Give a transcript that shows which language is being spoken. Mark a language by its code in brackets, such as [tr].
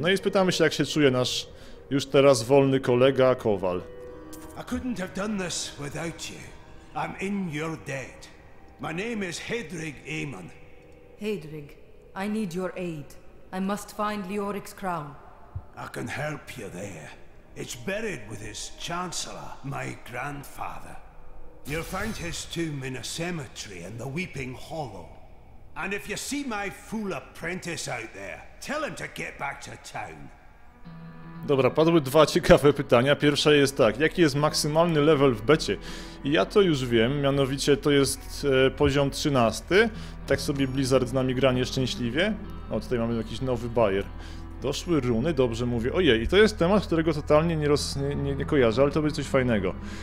[pl] No i spytamy się, jak się czuje nasz już teraz wolny kolega Kowal. [en] I couldn't have done this without you. I'm in your debt. My name is Hedrig Amon. Hedrig, I need your aid. I must find Leoric's crown. I can help you there. It's buried with his chancellor, my grandfather. You'll find his tomb in a cemetery in the Weeping Hollow. And if you see my fool apprentice out there, tell him to get back to town. [pl] Dobra, padły dwa ciekawe pytania. Pierwsze jest tak, jaki jest maksymalny level w becie? I ja to już wiem, mianowicie to jest poziom 13. Tak sobie Blizzard z nami gra nieszczęśliwie. O, tutaj mamy jakiś nowy bajer. Doszły runy, dobrze mówię. Ojej, i to jest temat, którego totalnie nie kojarzę, ale to będzie coś fajnego.